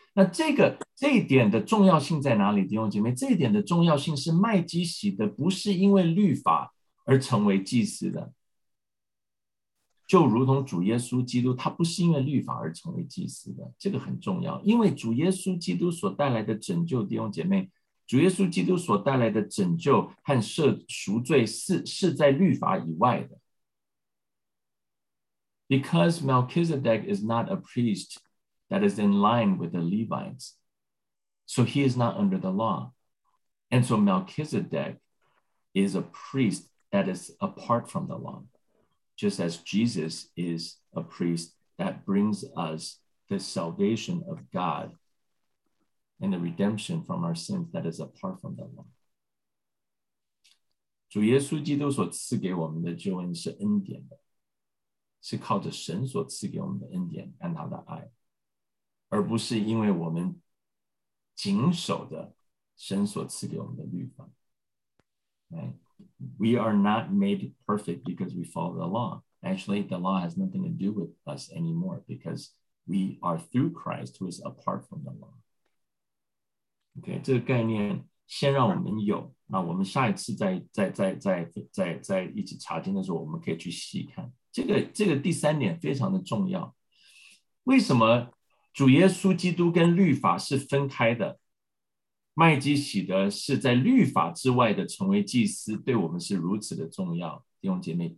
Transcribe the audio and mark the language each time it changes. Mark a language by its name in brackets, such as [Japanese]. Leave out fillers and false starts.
[Chinese] 那这一点的重要性在哪里，弟兄姐妹？这一点的重要性是麦基洗德不是因为律法而成为祭司的，就如同主耶稣基督他不是因为律法而成为祭司的，这个很重要。因为主耶稣基督所带来的拯救，弟兄姐妹，主耶稣基督所带来的拯救和赎罪 是在律法以外的。 [English] Because Melchizedek is not a priest that is in line with the Levites, so he is not under the law, and so Melchizedek is a priest that is apart from the law, just as Jesus is a priest that brings us the salvation of God and the redemption from our sins that is apart from the law. [Chinese] 主耶稣基督所赐给我们的救恩是恩典的，是靠着神所赐给我们的恩典和他的爱，而不是因为我们谨守的神所赐给我们的律法。 [English] Right? We are not made perfect because we follow the law. Actually, the law has nothing to do with us anymore because we are through Christ who is apart from the law. [Chinese] Okay, 这个概念先让我们有，那我们下一次再一起查经的时候我们可以去细看。这个第三点非常的重要。为什么主耶稣基督跟律法是分开的，麦基洗德是在律法之外的成为祭司，对我们是如此的重要，弟兄姐妹？